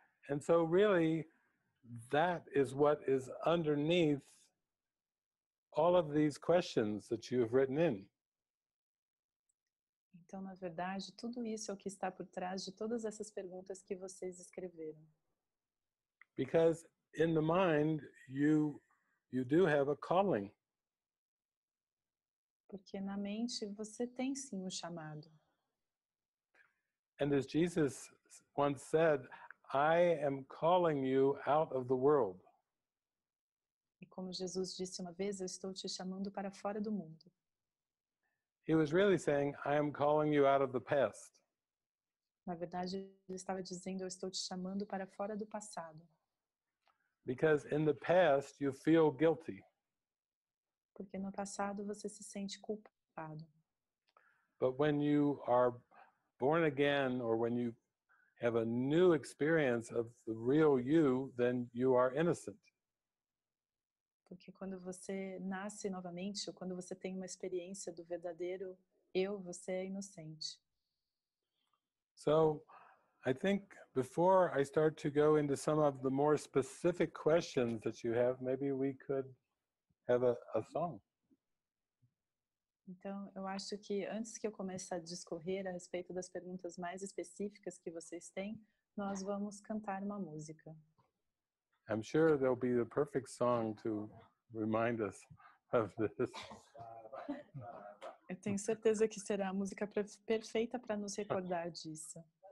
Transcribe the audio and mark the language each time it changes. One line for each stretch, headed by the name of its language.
English: And so really that is what is underneath all of these questions that you have written in.
Portuguese: Então, na verdade, tudo isso é o que está por trás de todas essas perguntas que vocês escreveram.
English: Because in the mind, you do have a calling.
Portuguese: Porque na mente você tem sim chamado.
English: And as Jesus once said, I am calling you out of the world.
Portuguese: E como Jesus disse uma vez, eu estou te chamando para fora do mundo.
English: He was really saying, I am calling you out of the past.
Portuguese: Na verdade, ele estava dizendo, eu estou te chamando para fora do passado.
English: Because in the past, you feel guilty.
Portuguese: Porque no passado, você se sente culpado.
English: But when you are born again, or when you have a new experience of the real you, then you are innocent.
Portuguese: Porque quando você nasce novamente, ou quando você tem uma experiência do verdadeiro eu, você é inocente.
English: So, I think before I start to go into some of the more specific questions that you have, maybe we could have a song.
Portuguese: Então, eu acho que antes que eu comece a discorrer a respeito das perguntas mais específicas que vocês têm, nós vamos cantar uma música.
English: I'm sure there'll be the perfect song to remind us of this.
Portuguese: Eu tenho certeza que será a música perfeita para nos recordar disso.